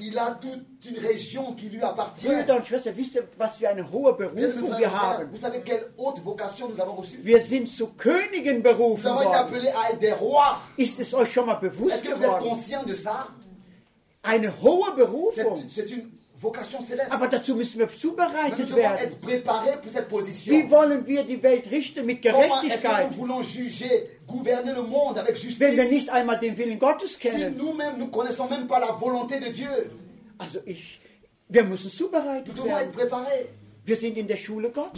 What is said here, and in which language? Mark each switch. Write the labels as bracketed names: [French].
[French] Il a toute une région qui lui appartient. [German] Brüder und Schwestern, wisst ihr, was für eine hohe Berufung wir haben? [French] Vous savez quelle haute vocation nous avons reçue? [German] Wir sind zu Königen berufen worden. [French] Nous avons été appelés à être des rois. [German] Ist es euch schon mal bewusst [French] Est-ce que vous êtes conscient de ça? [German] Eine hohe Berufung. [French] C'est une vocation céleste. [German] Aber dazu müssen wir zubereitet werden. [French] Être préparé pour cette position. [German] Wie wollen wir die Welt richten mit Gerechtigkeit? [French] Comment est-ce que nous voulons juger, gouverner le monde avec justice? [German] Wenn wir nicht einmal den Willen Gottes kennen. [French] Si nous-mêmes, nous connaissons même pas la volonté de Dieu. [German] Also wir müssen zubereitet [French] nous devons [German] werden. [French] Être préparé. [German] Wir sind in der Schule Gottes.